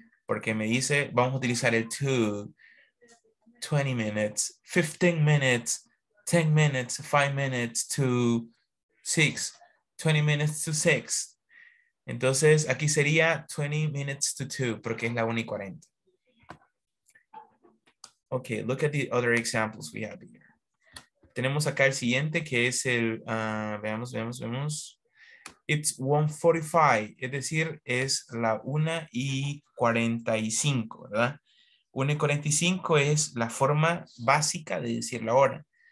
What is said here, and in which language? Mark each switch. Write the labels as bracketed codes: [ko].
[es] Porque me dice, vamos a utilizar el to. [en] 20 minutes, 15 minutes, 10 minutes, 5 minutes to 6. 20 minutes to 6. [es] Entonces, aquí sería [en] 20 minutes to 2, [es] porque es la 1 y 40. [en] Ok, look at the other examples we have here. [es] Tenemos acá el siguiente, que es el, veamos. [en] It's 1:45, [es] es decir, es la 1:45, ¿verdad? 1:45 es la forma básica de decir la hora.